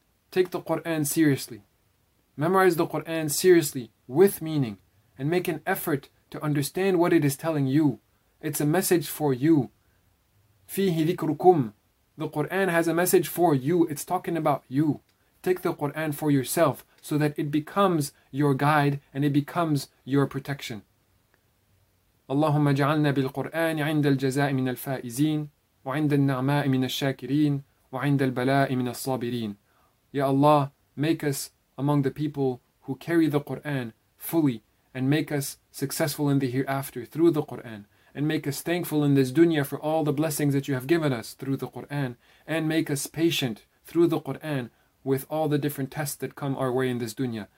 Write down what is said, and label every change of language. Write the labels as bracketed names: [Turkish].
[English] Take the Qur'an seriously. Memorize the Qur'an seriously, with meaning, and make an effort to understand what it is telling you. It's a message for you. [Arabic] فِيهِ ذِكْرُكُمْ. [English] The Qur'an has a message for you. It's talking about you. Take the Qur'an for yourself so that it becomes your guide and it becomes your protection. [Arabic] اللهم اجعلنا بالقرآن عند الجزاء من الفائزين وعند النعماء من الشاكرين وعند البلاء من الصابرين. [English] Ya Allah, make us among the people who carry the Qur'an fully and make us successful in the hereafter through the Qur'an. And make us thankful in this dunya for all the blessings that you have given us through the Qur'an. And make us patient through the Qur'an with all the different tests that come our way in this dunya.